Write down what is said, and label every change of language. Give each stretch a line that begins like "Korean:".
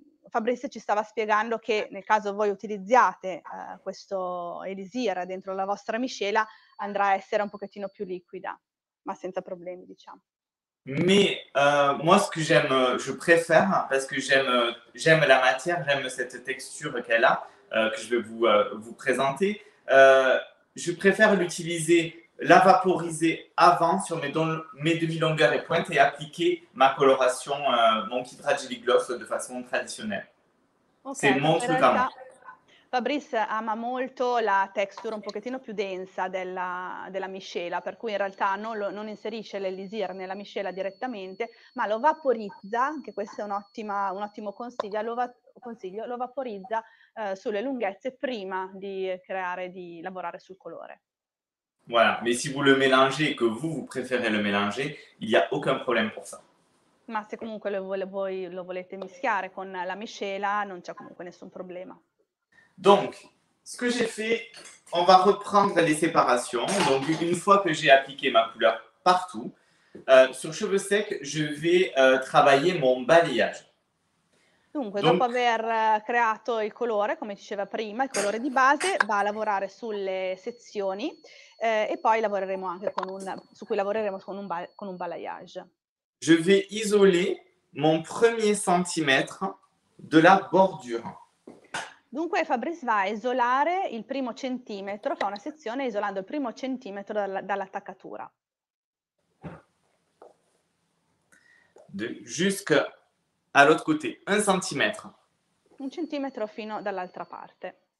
Italian: Fabrice ci stava spiegando che nel caso voi utilizziate questo Elixir dentro la vostra miscela, andrà a essere un pochettino più liquida, ma senza problemi, diciamo.
French: Mais moi, ce que j'aime, je préfère, parce que j'aime la matière, j'aime cette texture qu'elle a, que je vais vous présenter, je préfère l'utiliser, la vaporiser avant sur mes demi-longueurs et pointes et appliquer ma coloration, mon Kidra Jelly Gloss de façon traditionnelle. Okay, c'est mon truc à moi.
Italian: Fabrice ama molto la texture un pochettino più densa della miscela, per cui in realtà non inserisce l'elisir nella miscela direttamente, ma lo vaporizza, che questo è un ottimo consiglio, lo vaporizza sulle lunghezze prima di creare, di lavorare sul colore.
French: Voilà, mais si vous le mélangez, que vous préférez le mélanger, il n'y a aucun problème pour ça.
Italian: Ma se comunque lo volete mischiare con la miscela, non c'è comunque nessun problema.
French: Donc, ce que j'ai fait, on va reprendre les séparations. Donc, une fois que j'ai appliqué ma couleur partout, sur cheveux secs, je vais travailler mon balayage.
Italian: Dunque, dopo aver creato il colore, come diceva prima, il colore di base, va a lavorare sulle sezioni e poi lavoreremo anche con un balayage.
French: Je vais isoler mon premier centimètre de la bordure.
Italian: Dunque Fabrice va a isolare il primo centimetro, fa una sezione isolando il primo centimetro dall'attaccatura.
French: Jusque à l'autre côté,
Italian: un centimetro. Un centimetro fino dall'altra parte.